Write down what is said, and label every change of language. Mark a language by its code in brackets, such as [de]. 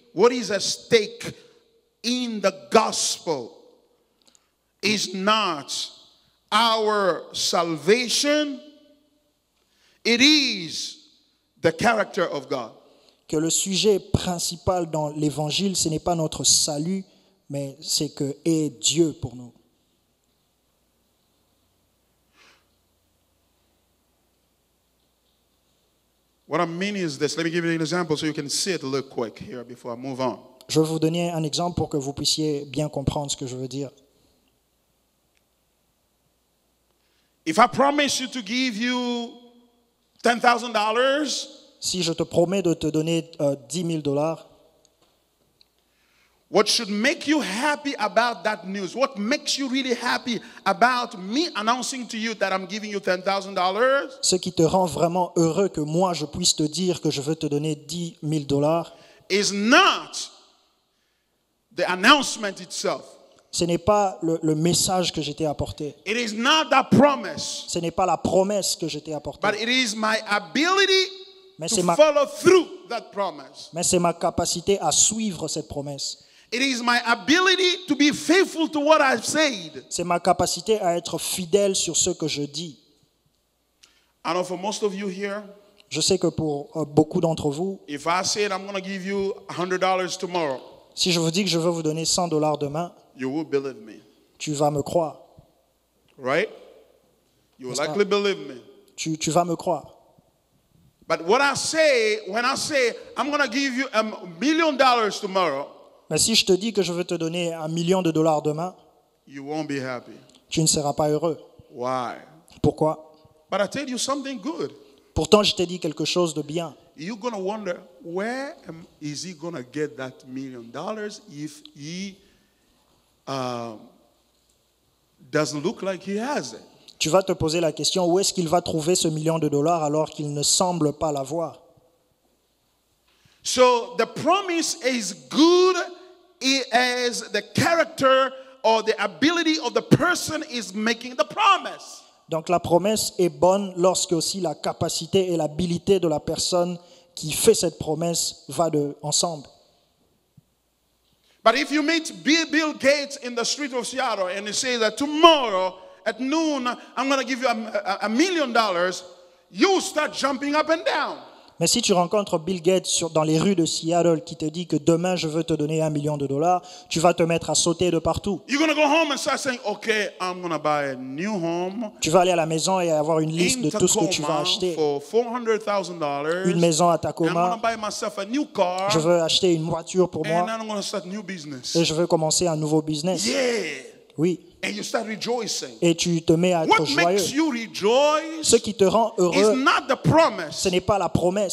[en] What is at stake in the gospel is not our salvation. It is the character of God. [fr] Que le sujet principal dans l'évangile, ce n'est pas notre salut. Mais c'est que est Dieu pour nous. [en] What I mean is this. Let me give you an example so you can see it real quick here before I move on. [fr] Je vais vous donner un exemple pour que vous puissiez bien comprendre ce que je veux dire. [en] If I promise you to give you $10,000, [fr] si je te promets de te donner $10,000. [en] What should make you happy about that news? What makes you really happy about me announcing to you that I'm giving you $10,000? [fr] Ce qui te rend vraiment heureux que moi je puisse te dire que je veux te donner $10,000 [en] is not the announcement itself. [fr] Ce n'est pas le message que j'étais apporté. [en] It is not that promise. [fr] Ce n'est pas la promesse que j'étais apporté. [en] But it is my ability to follow through that promise. [fr] Mais c'est ma capacité à suivre cette promesse. [en] It is my ability to be faithful to what I've said. [fr] C'est ma capacité à être fidèle sur ce que je dis. [en] I know for most of you here, [fr] je sais que pour beaucoup d'entre vous, [en] if I said I'm going to give you $100 tomorrow, [fr] si je vous dis que je veux vous donner $100 demain, [en] you will believe me. [fr] Tu vas me croire. [en] Right? You will likely believe me. [fr] Tu vas me croire. [en] But what I say, when I say I'm going to give you $1,000,000 tomorrow, [fr] mais si je te dis que je veux te donner $1,000,000 demain, [en] you won't be happy. [fr] Tu ne seras pas heureux. [en] Why? [fr] Pourquoi? [en] But I tell you something good. [fr] Pourtant, je t'ai dit quelque chose de bien. [en] You're going to wonder, where is he going to get that $1,000,000 if he doesn't look like he has it? [fr] Tu vas te poser la question, où est-ce qu'il va trouver ce million de dollars alors qu'il ne semble pas l'avoir? [en] So the promise is good as the character or the ability of the person is making the promise. [fr] Donc la promesse est bonne lorsque aussi la capacité et l'habilité de la personne qui fait cette promesse va de ensemble. [en] But if you meet Bill Gates in the street of Seattle and he says that tomorrow at noon I'm going to give you $1,000,000, you start jumping up and down. [fr] Mais si tu rencontres Bill Gates dans les rues de Seattle qui te dit que demain je veux te donner $1,000,000, tu vas te mettre à sauter de partout. [en] You're going to go home and start saying, okay, I'm going to buy a new home. [fr] Tu vas aller à la maison et avoir une liste de tout ce que tu vas acheter. [en] For $400,000. [fr] Une maison à Tacoma. [en] I'm going to buy myself a new car. [fr] Je veux acheter une voiture pour moi. [en] And I'm going to start a new business. [fr] Et je veux commencer un nouveau business. [en] Yeah. [fr] Oui. [en] And you start rejoicing. [fr] Et tu te mets à être [en] what [fr] joyeux. [en] Makes you rejoice, [fr] ce qui te rend heureux, [en] is not the promise. [fr] Ce n'est pas la promesse.